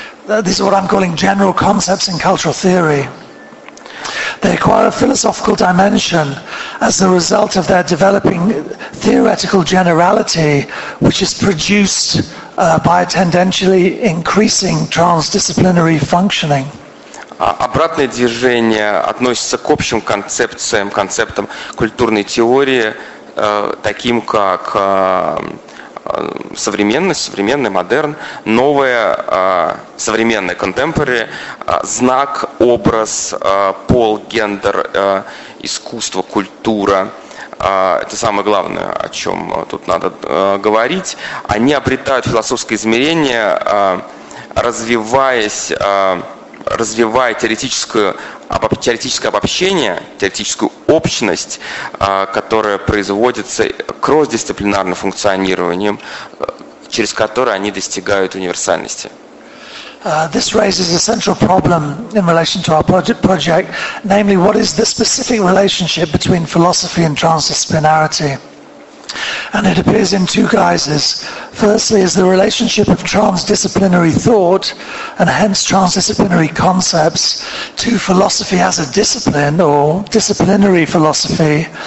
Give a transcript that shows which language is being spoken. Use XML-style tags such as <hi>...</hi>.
<en>This is what I'm calling general concepts in cultural theory. They acquire a philosophical dimension as the result of their developing theoretical generality, which is produced by a tendentially increasing transdisciplinary functioning.</en> <ru>Обратное движение относится к общим концепциям, концептам культурной теории, таким как современность, современный модерн, новое, современное contemporary, знак, образ, пол, гендер, искусство, культура. Это самое главное, о чем тут надо говорить. Они обретают философское измерение, развивая теоретическое обобщение, теоретическую общность, которая производится кросс-дисциплинарным функционированием, через которое они достигают универсальности.</ru> <en>This raises a central problem in relation to our project, namely, what is the specific relationship between philosophy and transdisciplinarity? And it appears in two guises. Firstly, is the relationship of transdisciplinary thought, and hence transdisciplinary concepts, to philosophy as a discipline, or disciplinary philosophy,</en>